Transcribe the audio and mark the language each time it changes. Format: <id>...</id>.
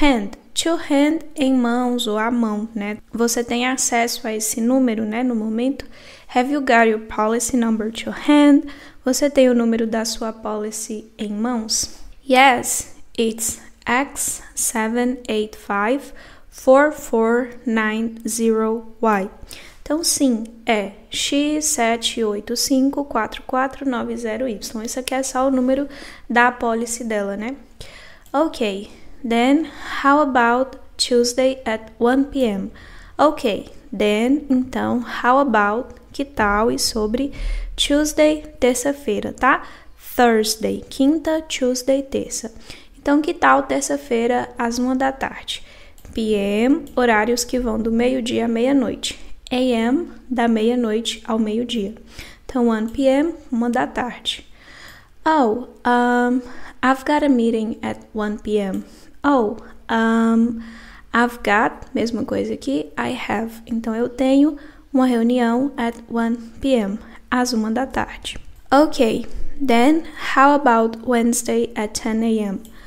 <en>To hand,</en> <pt>em mãos ou à mão, né? Você tem acesso a esse número, né, no momento?</pt> <en>Have you got your policy number to hand?</en> <pt>Você tem o número da sua apólice em mãos?</pt> <en>Yes, it's X785-4490Y.</en> <pt>Então, sim, é X785-4490Y. Esse aqui é só o número da apólice dela, né?</pt> <en>Ok, then how about Tuesday at 1 p.m.? Ok, then,</en> <pt>então,</pt> <en>how about,</en> <pt>que tal e sobre Tuesday, terça-feira, tá? Thursday, quinta, Tuesday, terça. Então, que tal terça-feira às 1 da tarde? P.M., horários que vão do meio-dia à meia-noite. A.M., da meia-noite ao meio-dia. Então, 1 p.m., 1 da tarde.</pt> <en>Oh, I've got a meeting at 1 p.m. Oh, I've got,</en> <pt>mesma coisa aqui,</pt> <en>I have.</en> <pt>Então, eu tenho uma reunião</pt> <en>at 1 p.m.,</en> <pt>às 1 da tarde.</pt> <en>Ok, then, how about Wednesday at 10 a.m.?</en>